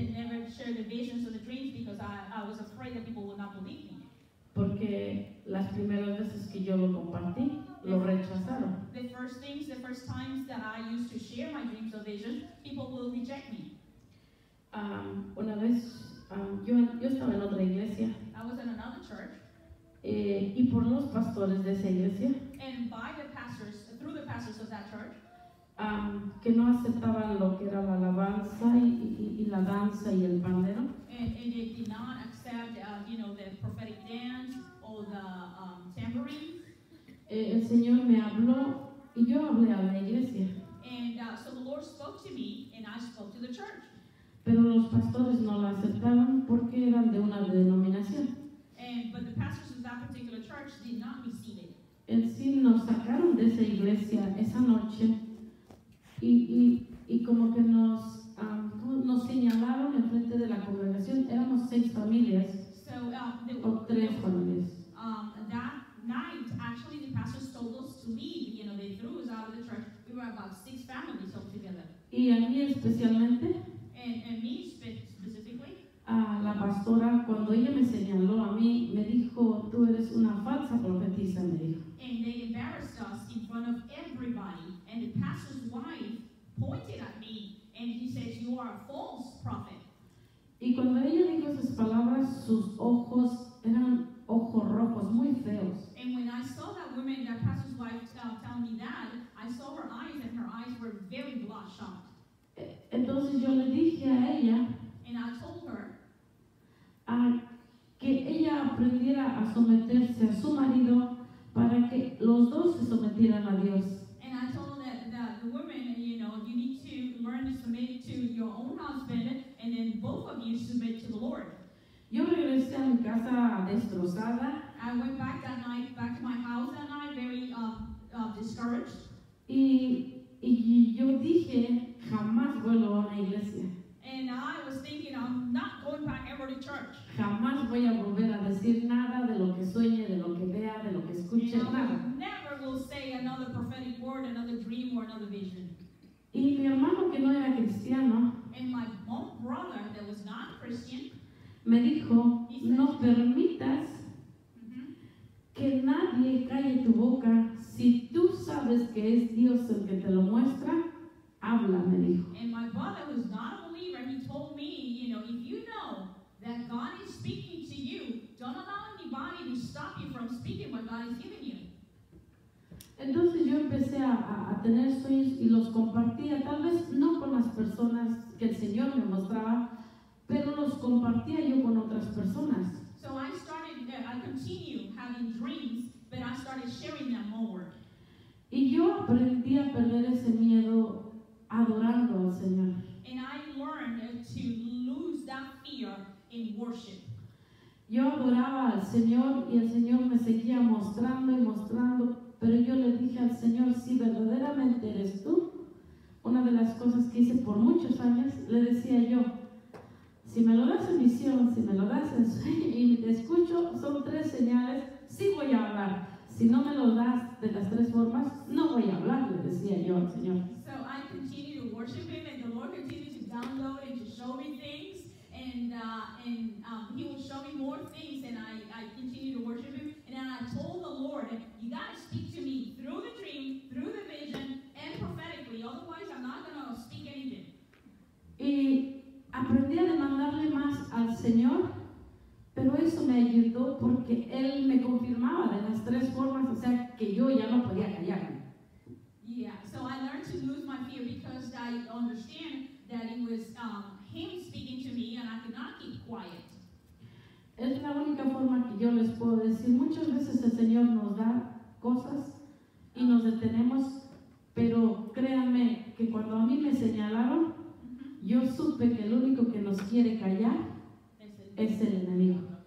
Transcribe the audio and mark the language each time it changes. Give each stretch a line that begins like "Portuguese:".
English: I never shared the visions or the dreams because I was afraid that people would not believe me.
Spanish: Porque las primeras veces que yo lo compartí, lo rechazaron.
English: The first times that I used to share my dreams or visions, people will reject me.
Spanish: Una vez, yo estaba en otra iglesia.
English: I was in another church.
Spanish: Y por los pastores de esa iglesia.
English: And by the pastors, through the pastors of that church.
Spanish: Que no aceptaban lo que era la alabanza y la danza y el pandero.
English: And they did not accept, the prophetic dance or the tambourine.
Spanish: El Señor me habló y yo hablé a la iglesia.
English: And so the Lord spoke to me and I spoke to the church.
Spanish: Pero los pastores no lo aceptaban porque eran de una denominación.
English: But the pastors of that particular church did not receive it.
Spanish: En sí, nos sacaron de esa iglesia esa noche. Y como que nos señalaron en frente de la congregación, éramos seis familias, o tres familias.
English: That night, actually, the pastors told us to leave. They threw us out of the church. We were about six families all together.
Spanish: Y a mí especialmente.
English: And me specifically.
Spanish: La pastora, cuando ella me señaló a mí, me dijo, tú eres una falsa profetisa, me dijo.
English: And they embarrassed us in front of everybody. And the pastor's wife pointed at me and he says, you are a false prophet.
Spanish: Y cuando ella dijo esas palabras, sus ojos eran ojos rojos, muy feos.
English: And when I saw that woman, that pastor's wife tell me that, I saw her eyes and her eyes were very bloodshot.
Spanish: Entonces yo le dije a ella,
English: and I told her,
Spanish: que ella aprendiera a someterse a su marido para que los dos se sometieran a Dios.
English: And I told her that the woman, you need to learn to submit to your own husband, and then both of you submit to the Lord.
Spanish: Yo regresé a mi casa a destrozada.
English: I went back that night back to my house that night very discouraged.
Spanish: Y yo dije, jamás vuelvo a la iglesia.
English: And I was thinking, I'm not going back ever to church.
Spanish: Jamás voy a volver a decir nada de lo que sueñe, de lo que vea, de lo que escuche, nada.
English: I never will say another prophetic word, another dream, or another vision.
Spanish: Y mi hermano, que no era cristiano,
English: and my own brother that was not Christian,
Spanish: me dijo, no permitas que nadie calle tu boca. Si tú sabes que es Dios el que te lo muestra, habla, me dijo.
English: And my brother was not a believer. He told me, you know, if you know that God is speaking to you, don't allow anybody to stop you from speaking what God has given you.
Spanish: Entonces yo empecé a tener sueños y los compartía, tal vez no con las personas que el Señor me mostraba, pero los compartía yo con otras personas.
English: So I started, I continued having dreams, but I started sharing them more.
Spanish: Y yo aprendí a perder ese miedo adorando al Señor.
English: And I learned to lose that fear in worship.
Spanish: Yo adoraba al Señor y el Señor me seguía mostrando y mostrando, pero yo le dije al Señor, si verdaderamente eres tú, una de las cosas que hice por muchos años, le decía yo, si me lo das en visión, si me lo das en sueño y te escucho, son tres señales, sí voy a hablar. Si no me lo das de las tres formas, no voy a hablar, le decía yo al Señor.
English: So I continued to worship him, and the Lord continued to download and to show me things, and he will show me more things, and I continued to worship him, and then I told the Lord, you gotta speak to me through the dream, through the vision, and prophetically, otherwise I'm not gonna speak anything.
Spanish: Y aprendí a demandarle más al Señor, pero eso me ayudó porque él me confirmaba de las tres formas, o sea, que yo ya no podía callarme.
English: Yeah, so I learned to lose my fear because I understand that it was him speaking to me and I could not keep quiet.
Spanish: Es la única forma que yo les puedo decir. Muchas veces el Señor nos da cosas y nos detenemos, pero créanme que cuando a mí me señalaron, yo supe que el único que nos quiere callar es el enemigo.